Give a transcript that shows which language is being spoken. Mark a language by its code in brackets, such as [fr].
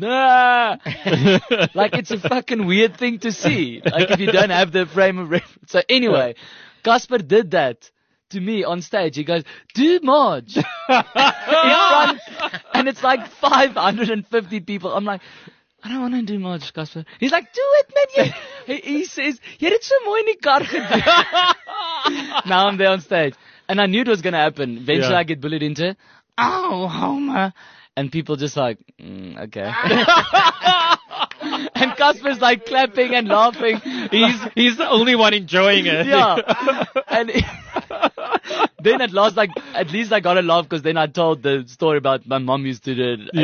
[en] Like, it's a fucking weird thing to see. Like, if you don't have the frame of reference. So anyway, Casper did that to me on stage. He goes, do Marge. And it's like 550 people. I'm like, I don't want to do Marge, Casper. He's like, do it, man. He says, [af] jy het so mooi in die kar gedoen. [en] Now I'm there on stage. And I knew it was going to happen. Eventually, I get bullied into, ow, Homer. And people just like, okay. And Casper's like clapping and laughing. He's the only one enjoying it. Yeah. And then at last, like, at least I got a laugh, because then I told the story about my mom used to do it.